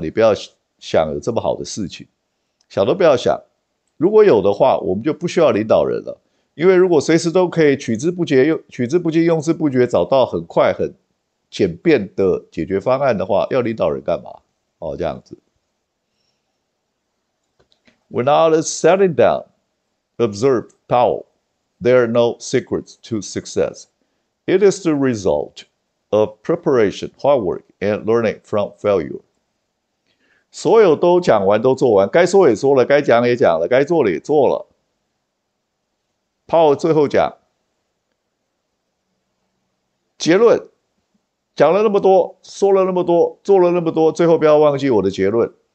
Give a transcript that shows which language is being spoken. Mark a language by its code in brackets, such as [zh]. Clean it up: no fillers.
[zh] 你不要想有这么好的事情，想都不要想。如果有的话，我们就不需要领导人了，因为如果随时都可以取之不竭、取之不尽、用之不绝，找到很快很简便的解决方案的话，要领导人干嘛？哦，这样子。 [en] When all is settling down, observe Powell, there are no secrets to success. It is the result of preparation, hard work, and learning from failure. [zh] 所有都讲完，都做完，该说也说了，该讲也讲了，该做的也做了。 Powell 最后讲，结论。讲了那么多，说了那么多，做了那么多，最后不要忘记我的结论。